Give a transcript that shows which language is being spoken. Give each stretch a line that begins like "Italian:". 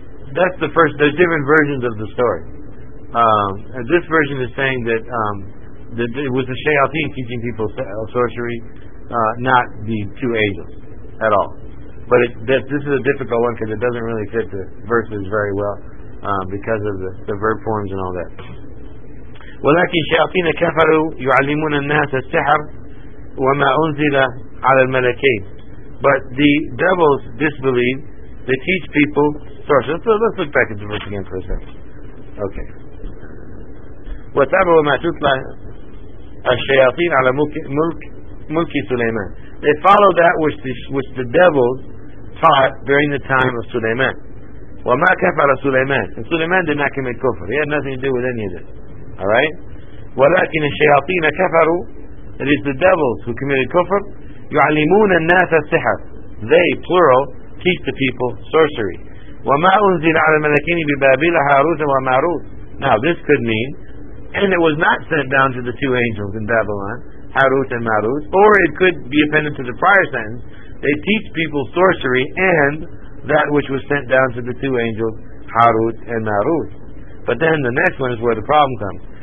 English: That's the first. There's different versions of the story. This version is saying that, that it was the shayateen teaching people sorcery, not the two angels at all. But this is a difficult one because it doesn't really fit the verses very well, because of the verb forms and all that.
Arabic: ولكن شياطين كفروا يعلمون الناس السحر وما أنزل على الملكين.
English: But the devils disbelieve, they teach people sorcery. So let's look back at the verse again for a second. Okay.
Arabic: وتابعوا ما تتلى الشياطين على ملك سليمان.
English: They follow that which the devils taught during the time of Sulaiman.
Arabic: وما كفر سليمان.
English: And Sulaiman did not commit kufr. He had nothing to do with any of this.
Arabic: Alright? ولكن الشياطين كفروا.
English: It is the devils who committed kufr.
Arabic: يعلمون الناس السحر.
English: They, plural, teach the people sorcery.
Arabic: وما أنزل على الملكين ببابل هاروت وماروت.
English: Now this could mean, and it was not sent down to the two angels in Babylon, Harut and Marut, or it could be appended to the prior sentence, they teach people sorcery and that which was sent down to the two angels, Harut and Marut. But then the next one is where the problem comes.